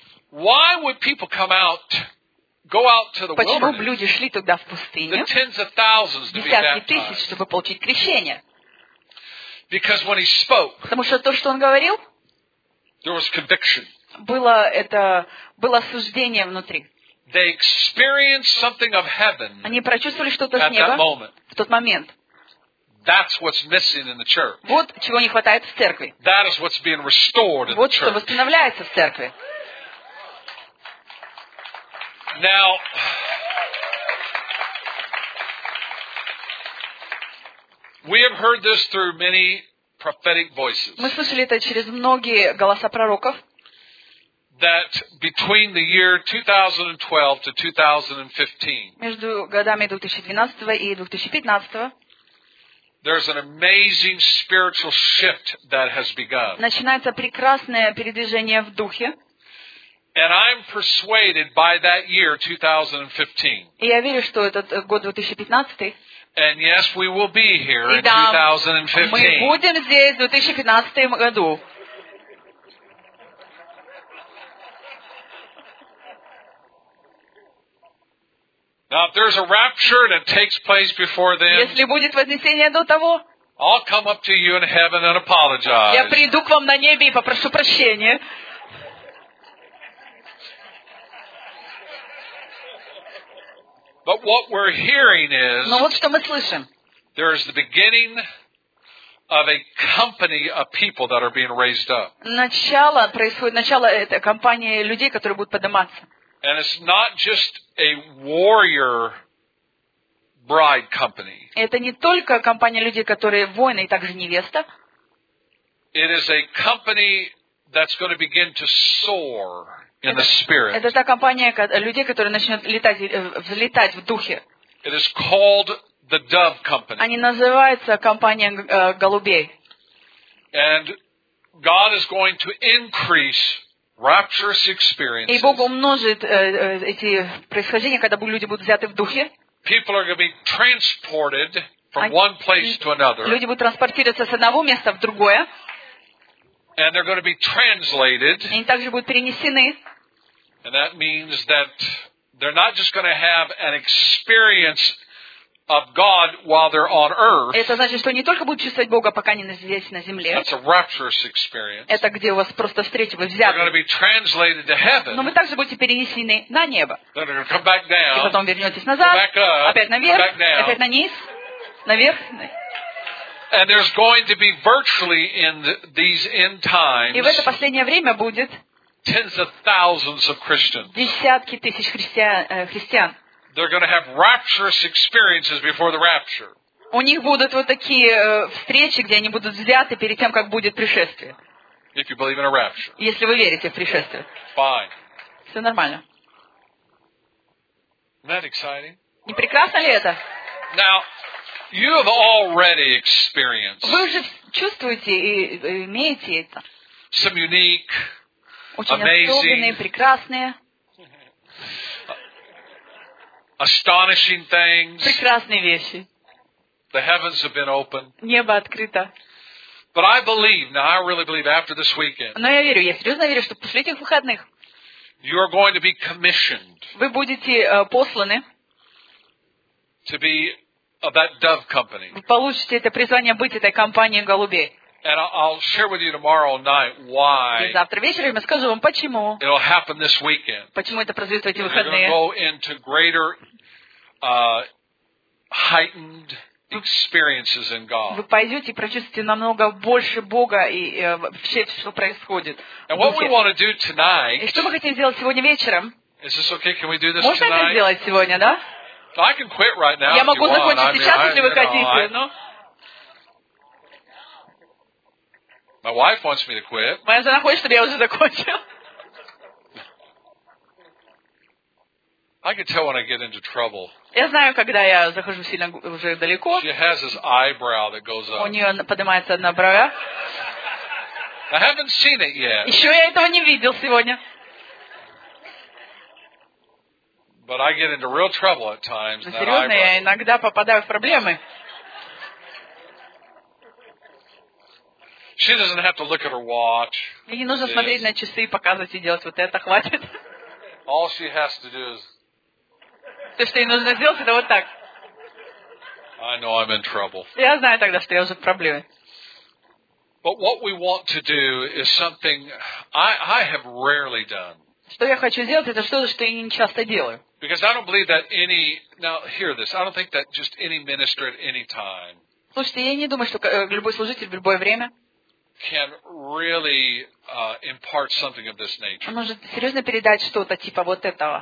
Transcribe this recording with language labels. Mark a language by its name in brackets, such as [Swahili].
[English] Why would people come out, go out to the [Russian] Почему [English] wilderness? [Russian] Люди шли туда в пустыню? [English] The tens of thousands to be baptized. [Russian] Десятки тысяч, чтобы получить крещение. [English] Because when he spoke, [Russian] потому что то, что он говорил, [English] there was conviction. [Russian] Было это, было осуждение внутри. [English] They experienced something of heaven. [Russian] Они прочувствовали что-то с неба в тот момент. [English] That's what's missing in the church. [Russian] Вот чего не хватает в церкви. [English] That is what's being restored in [Russian] Вот что восстанавливается в церкви. [English] Now, we have heard this through many prophetic voices. [Russian] Мы слышали это через многие голоса пророков. [English] That between the year 2012 to 2015. [Russian] Между годами 2012 и 2015. [English] There's an amazing spiritual shift that has begun. [Russian] Начинается прекрасное передвижение в духе. [English] And I'm persuaded by that year 2015. [Russian] И я верю, что этот год 2015. [English] And yes, we will be here in [Russian] 2015. Мы будем здесь в 2015 году. [English] Now, if there's a rapture and it takes place before then, [Russian] если будет вознесение до того, [English] I'll come up to you in heaven and apologize. [Russian] Я приду к вам на небе и попрошу прощения. [English] But what we're hearing is, [Russian] но вот что мы слышим, [English] there is the beginning of a company of people that are being raised up. [Russian] Начало происходит, начало это компания людей, которые будут подниматься. [English] And it's not just a warrior bride company. [Russian] Это не только компания людей, которые воины, и также невеста. [English] It is a company that's going to begin to soar in the spirit. [Russian] Это та компания людей, которые начнут летать, взлетать в духе. [English] It is called the dove company. [Russian] Они называются компания голубей. [English] And God is going to increase rapturous experiences. [Russian] И Бог умножит эти происхождения, когда люди будут взяты в духе. [English] People are going to be transported from one place to another. [Russian] Люди будут транспортироваться с одного места в другое. [English] And they're going to be translated. [Russian] И они также будут перенесены. [English] And that means that they're not just going to have an experience of God while they're on earth. [Russian] Это значит, что не только будут чувствовать Бога, пока они здесь на земле. [English] That's a rapturous experience. [Russian] Это где у вас просто встреча, вы взяты. [English] They're going to be translated to heaven. [Russian] Но вы также будете перенесены на небо. [English] Then they're going to come back down. [Russian] И потом вернетесь назад. [English] Back up, [Russian] опять наверх. [English] Come back down. [Russian] Опять на низ. Наверх. [English] And there's going to be virtually in these end times. [Russian] И в это последнее время будет. [English] Tens of thousands of Christians. [Russian] Десятки тысяч христиан. [English] They're going to have rapturous experiences before the rapture. [Russian] У них будут вот такие встречи, где они будут взяты перед тем, как будет пришествие. [English] If you believe in a rapture. [Russian] Если вы верите в пришествие. [English] Fine. [Russian] Все нормально. [English] Isn't that exciting? [Russian] Не прекрасно ли это? [English] Now, you have already experienced. [Russian] Вы уже чувствуете и имеете это. [English] Some unique, [Russian] очень [English] amazing, [Russian] особенные, прекрасные. [English] Astonishing things. [Russian] Прекрасные вещи. [English] The heavens have been open. [Russian] Небо открыто. [English] But I believe, now I really believe after this weekend. [Russian] Но я верю, я серьезно верю, что после этих выходных. [English] You are going to be commissioned. [Russian] Вы будете посланы. [English] To be of that dove company. [Russian] Вы получите это призвание быть этой компанией голубей. [English] And I'll share with you tomorrow night why. [Ukrainian] І завтра ввечері я скажу вам чому. [English] It'll happen this weekend. [Russian] Почему это произойдет в эти выходные? [English] We're going to go into greater heightened experiences in God. [Russian] Вы пойдете и прочувствуете намного больше Бога и вообще что происходит. [English] And what we want to do tonight? [Russian] И что мы хотим сделать сегодня вечером? [English] Is this okay? Can we do this tonight? [Russian] Можно это сделать сегодня, да? [English] I can quit right now. [Russian] Я могу закончить сейчас, если вы хотите. [English] My wife wants me to quit. [Russian] Моя жена хочет, чтобы я уже закончил. [English] I can tell when I get into trouble. [Russian] Я знаю, когда я захожу сильно уже далеко. [English] She has this eyebrow that goes up. [Russian] У нее поднимается одна бровь. [English] I haven't seen it yet. [Russian] Еще я этого не видел сегодня. [English] But I get into real trouble at times. [Russian] Серьезно, я иногда попадаю в проблемы. [English] She doesn't have to look at her watch. [Russian] Ей не нужно смотреть на часы и показывать и делать вот это хватит. [English] All she has to do is. [Russian] То, что ей нужно сделать, это вот так. [English] I know I'm in trouble. [Russian] Я знаю тогда, что я уже в проблеме. [English] But what we want to do is something I have rarely done. [Russian] Что я хочу сделать, это что-то, что я не часто делаю. [English] Because I don't believe that any. Now hear this. I don't think that just any minister at any time. [Russian] Слушайте, я не думаю, что любой служитель в любое время. [English] Can really impart something of this nature. [Russian] Может серьезно передать что-то типа вот этого.